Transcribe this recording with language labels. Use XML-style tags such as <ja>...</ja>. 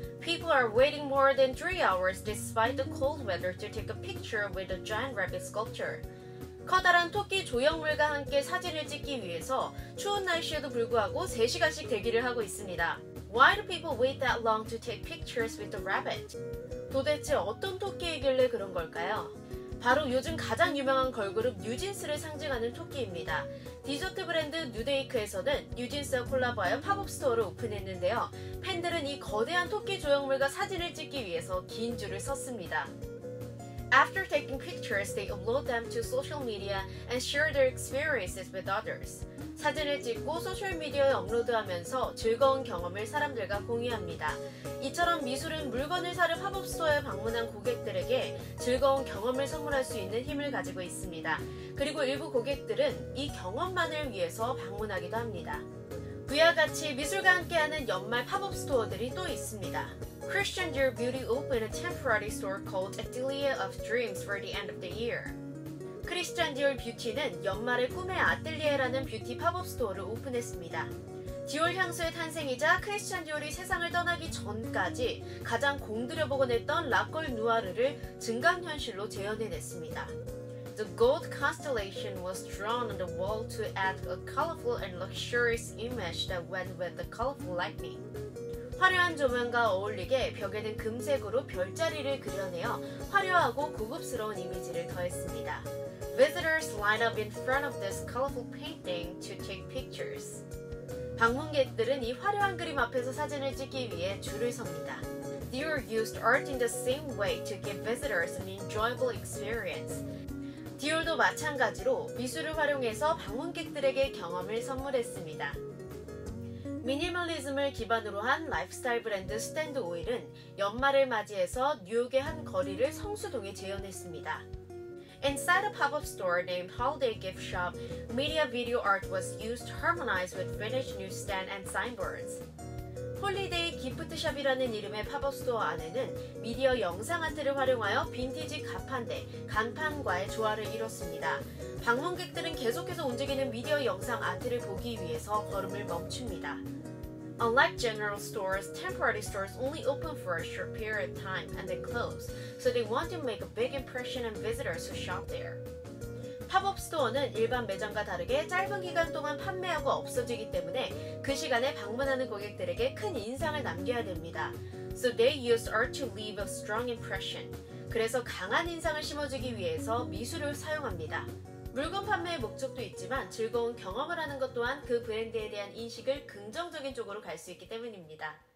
<en>People are waiting more than 3 hours despite the cold weather to take a picture with a giant rabbit sculpture.</en> <ko>커다란 토끼 조형물과 함께 사진을 찍기 위해서 추운 날씨에도 불구하고 3시간씩 대기를 하고 있습니다.</ko> <en>Why do people wait that long to take pictures with the rabbit?</en> <ko>도대체 어떤 토끼이길래 그런 걸까요? 바로 요즘 가장 유명한 걸그룹 뉴진스를 상징하는 토끼입니다. 디저트 브랜드 뉴데이크에서는 뉴진스와 콜라보하여 팝업 스토어를 오픈했는데요. 팬들은 이 거대한 토끼 조형물과 사진을 찍기 위해서 긴 줄을 섰습니다.</ko> <en>After taking pictures, they upload them to social media and share their experiences with others.</en> <ko>사진을 찍고 소셜미디어에 업로드하면서 즐거운 경험을 사람들과 공유합니다. 이처럼 미술은 물건을 사려 팝업스토어에 방문한 고객들에게 즐거운 경험을 선물할 수 있는 힘을 가지고 있습니다. 그리고 일부 고객들은 이 경험만을 위해서 방문하기도 합니다. 그와 같이 미술과 함께하는 연말 팝업스토어들이 또 있습니다.</ko> <en>Christian Dior Beauty opened a temporary store called Atelier of Dreams for the end of the year.</en> <ko>크리스찬 디올 뷰티는 연말에 꿈의 아틀리에라는 뷰티 팝업 스토어를 오픈했습니다. 디올 향수의 탄생이자 크리스찬 디올이 세상을 떠나기 전까지 가장 공들여보고 냈던 라꼴 누아르를 증강현실로 재현해냈습니다.</ko> <en>The gold constellation was drawn on the wall to add a colorful and luxurious image that went with the colorful lightning.</en> <ko>화려한 조명과 어울리게 벽에는 금색으로 별자리를 그려내어 화려하고 고급스러운 이미지를 더했습니다.</ko> <en>Visitors line up in front of this colorful painting to take pictures.</en> <ko>방문객들은 이 화려한 그림 앞에서 사진을 찍기 위해 줄을 섭니다.</ko> <en>Dior used art in the same way to give visitors an enjoyable experience.</en> <ko>디올도 마찬가지로 미술을 활용해서 방문객들에게 경험을 선물했습니다. 미니멀리즘을 기반으로 한 라이프스타일 브랜드 스탠드 오일은 연말을 맞이해서 뉴욕의 한 거리를 성수동에 재현했습니다.</ko> <en>Inside a pop-up store named Holiday Gift Shop, media video art was used to harmonize with vintage newsstand and signboards.</en> <ko>Holiday Gift Shop이라는 이름의 팝업 스토어 안에는 미디어 영상 아트를 활용하여 빈티지 가판대, 간판과의 조화를 이뤘습니다. 방문객들은 계속해서 움직이는 미디어 영상 아트를 보기 위해서 걸음을 멈춥니다.</ko> <en>Unlike general stores, temporary stores only open for a short period of time and then close, so they want to make a big impression on visitors who shop there.</en> <ko>팝업 스토어는 일반 매장과 다르게 짧은 기간 동안 판매하고 없어지기 때문에 그 시간에 방문하는 고객들에게 큰 인상을 남겨야 됩니다.</ko> <en>So they use art to leave a strong impression.</en> <ko>그래서 강한 인상을 심어주기 위해서 미술을 사용합니다. 물건 판매의 목적도 있지만 즐거운 경험을 하는 것 또한 그 브랜드에 대한 인식을 긍정적인 쪽으로 갈 수 있기 때문입니다.</ko>